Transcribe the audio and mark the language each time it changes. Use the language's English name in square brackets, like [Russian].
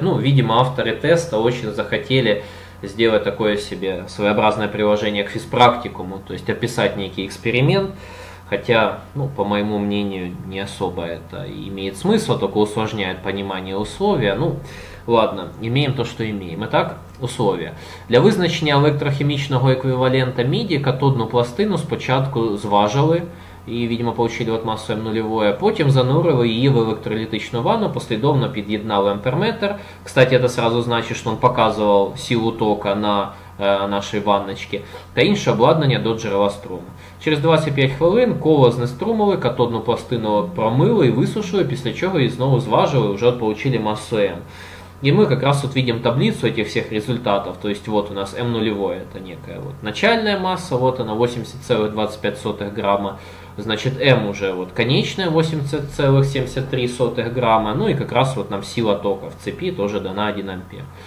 [Russian] Ну, видимо, авторы теста очень захотели сделать такое себе своеобразное приложение к физпрактикуму, то есть описать некий эксперимент, хотя, ну, по моему мнению, не особо это имеет смысл, только усложняет понимание условия. Ну, ладно, имеем то, что имеем. Итак, условия. [Ukrainian] Для визначення електрохімічного еквівалента міді катодну пластину спочатку зважили і, [Russian] видимо, получили [Ukrainian] от масу М нульової, потім занурили її в електролітичну ванну, послідовно під'єднали амперметр. [Russian] Кстати, [Ukrainian] це [Russian] сразу значить, [Ukrainian] що він показував силу тока на нашій ванночці, та інше обладнання до джерела струму. Через 25 хвилин коло знеструмили, катодну пластину промили і висушили, після чого її знову зважили, вже от [Russian] получили [Ukrainian] масу М. [Russian] И мы как раз вот видим таблицу этих всех результатов, то есть вот у нас М нулевое, это некая вот начальная масса, вот она 80,25 грамма, значит М уже вот конечная 80,73 грамма, ну и как раз вот нам сила тока в цепи тоже дана 1 ампер.